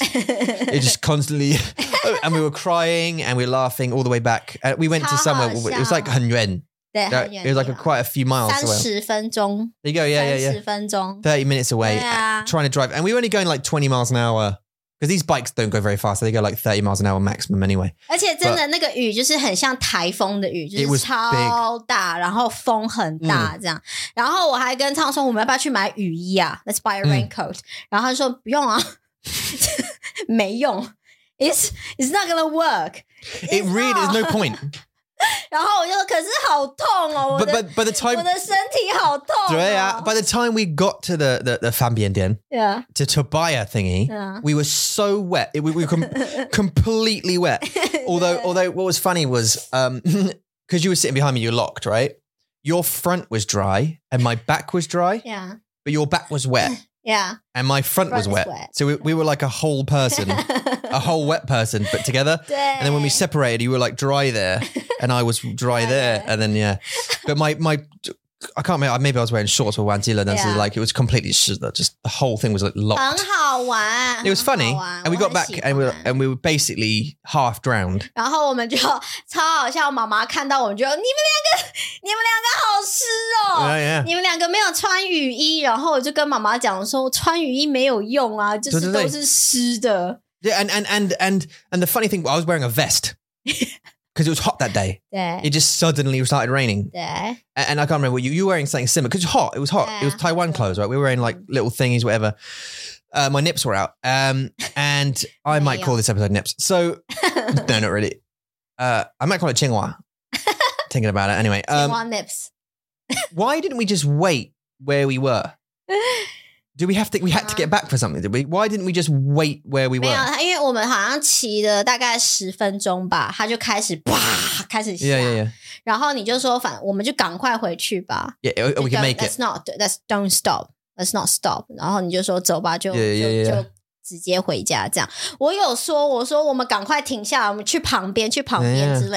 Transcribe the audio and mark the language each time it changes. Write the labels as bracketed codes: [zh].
[en] It just constantly, and we were crying and we were laughing all the way back. We went to somewhere, it was like [zh] 很远. 对, [en] it was like quite a few miles away. [zh] 30分钟. [en] There you go, yeah. [zh] 30分钟. [en] 30 minutes away, [zh] 对啊. [en] Trying to drive. And we were only going like 20 miles an hour. Because these bikes don't go very fast. They go like 30 miles an hour maximum anyway. [zh] 而且真的那个雨就是很像台风的雨, 就是超大, 然后风很大这样。然后我还跟苍说, 我们要不要去买雨衣啊? [en] Let's buy a raincoat. [zh] 然后他说不用啊, 没用, [en] it's not going to work. It really, there's no point. [zh] 然后我就可是好痛哦, [en] by the time, [zh] 我的身体好痛哦, 对啊, [en] by the time we got to the Fanbiendian, yeah, to buy a thingy, yeah, we were so wet. We were completely wet. Although what was funny was, because you were sitting behind me, you're locked, right? Your front was dry and my back was dry. Yeah. But your back was wet. Yeah. And my front was wet. So we were like a whole person, a whole wet person, but together. And then when we separated, you were like dry there and I was dry there. And then, yeah. But my, I can't remember, maybe I was wearing shorts or [zh] 忘记了, [en] and yeah. Like it was completely, just the whole thing was like locked. [zh] 很好玩, [en] it was funny. And we got back and we were basically half drowned. [zh] 然后我们就超好笑妈妈看到我们就你们两个好湿哦。 [en] Yeah, yeah. [zh] 你们两个没有穿雨衣, 然后我就跟妈妈讲说穿雨衣没有用啊, 就是都是湿的。 [en] Yeah, and the funny thing, I was wearing a vest. Because it was hot that day. Yeah. It just suddenly started raining. Yeah. And I can't remember, you were wearing something similar because it was hot. It was hot. Yeah. It was Taiwan clothes, right? We were wearing like little thingies, whatever. My nips were out. And I might call this episode nips. So, no, not really. I might call it Tsinghua. Thinking about it anyway. Tsinghua nips. Why didn't we just wait where we were? Do we have to, we had to get back for something, did we? Why didn't we just wait where we were? [zh] 没有，因为我们好像骑了大概十分钟吧， 他就开始啪，开始下。 [en] Yeah, yeah, yeah. [zh] 然后你就说，反，我们就赶快回去吧。 [en] Yeah, we can make it. Let's not stop. [zh] 然后你就说走吧，就 [en] yeah, yeah, yeah. [zh] 直接回家这样，我有说，我说我们赶快停下，我们去旁边之类。